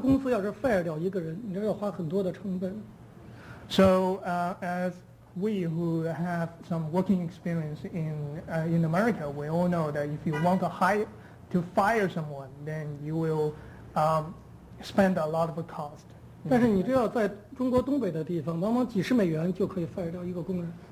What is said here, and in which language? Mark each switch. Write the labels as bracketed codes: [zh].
[zh] 还有我们都知道，我们在美国生活都知道，美国的公司要是 [en] fire [zh] 掉一个人，你这要花很多的成本。 [en] So as we who have some working experience in America, we all know that if you want to fire someone, then you will spend a lot of cost. [zh] 但是你知道，在中国东北的地方，往往几十美元就可以 [en] fire [zh] 掉一个工人。